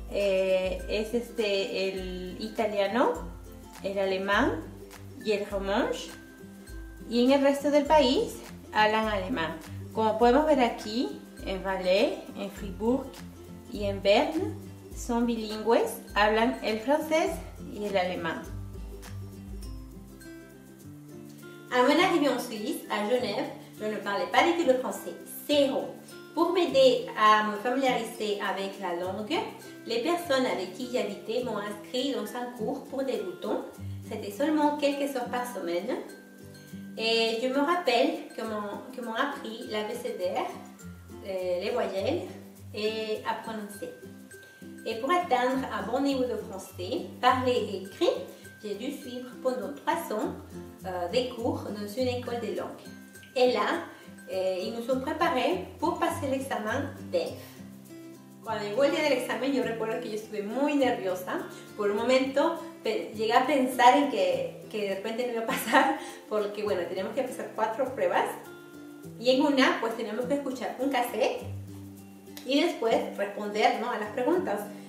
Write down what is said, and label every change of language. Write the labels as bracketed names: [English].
[Spanish] Es el italiano, el alemán y el romanche. Y en el resto del país, hablan alemán. Como podemos ver aquí, en Valais, en Fribourg y en Berne, son bilingües, hablan el francés y el alemán. [French] À mon arrivée en Suisse, à Genève, je ne parlais pas du tout le français, zéro. Pour m'aider à me familiariser avec la langue, les personnes avec qui j'habitais m'ont inscrit dans un cours pour débutants. C'était seulement quelques heures par semaine. Et je me rappelle que m'ont appris l'abécédaire, les voyelles et à prononcer. Et pour atteindre un bon niveau de français, parler et écrire, j'ai dû suivre pendant 3 ans des cours dans une école de langue. Et là, ils nous ont préparé pour passer l'examen DELF. [Spanish] Cuando llegó el día del examen, yo recuerdo que yo estuve muy nerviosa. Por un momento, llegué a pensar en que de repente no iba a pasar, porque bueno, tenemos que pasar 4 pruebas. Y en una, pues tenemos que escuchar un cassette y después responder, ¿no?, a las preguntas.